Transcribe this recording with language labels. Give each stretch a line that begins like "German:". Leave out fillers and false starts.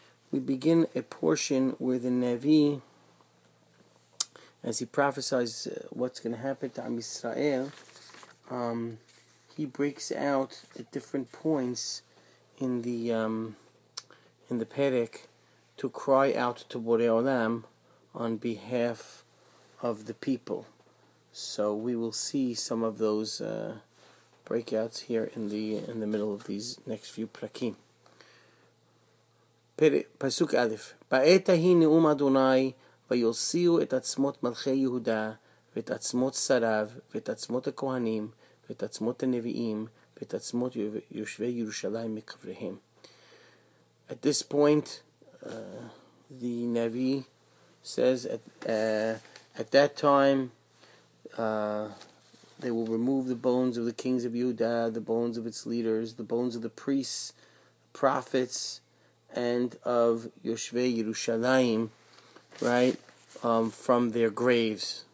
English: We begin a portion where the Navi, as he prophesies what's going to happen to Am Yisrael, he breaks out at different points in the Perek to cry out to Borei Olam on behalf of the people. So we will see some of those breakouts here in the middle of these next few prakim.
Hebrew: פסוק א', בעת ההיא נאום אדוני, ויוציאו את עצמות מלכי יהודה, ואת עצמות שריו, ואת עצמות הכהנים, ואת עצמות הנביאים, ואת עצמות יושבי ירושלים מקבריהם.
English: At this point, the Navi says, at that time, they will remove the bones of the kings of Yehuda, the bones of its leaders, the bones of the priests, prophets, and of Yoshvei Yerushalayim, right, from their graves.